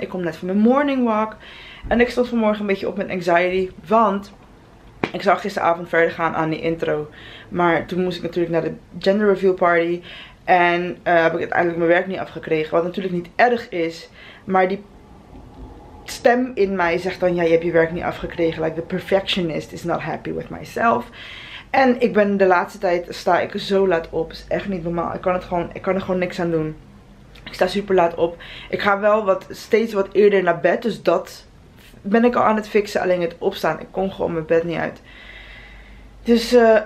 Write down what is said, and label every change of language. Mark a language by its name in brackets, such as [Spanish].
[Dutch] Ik kom net van mijn morning walk. En ik stond vanmorgen een beetje op mijn anxiety. Want ik zou gisteravond verder gaan aan die intro. Maar toen moest ik natuurlijk naar de gender reveal party. En heb ik uiteindelijk mijn werk niet afgekregen. Wat natuurlijk niet erg is. Maar die stem in mij zegt dan, ja, je hebt je werk niet afgekregen. [English] Like the perfectionist is not happy with myself. [Dutch] En ik ben de laatste tijd, sta ik zo laat op. Is echt niet normaal. Ik kan er gewoon niks aan doen. Ik sta super laat op. Ik ga wel steeds wat eerder naar bed. Dus dat ben ik al aan het fixen. Alleen het opstaan. Ik kon gewoon mijn bed niet uit. Dus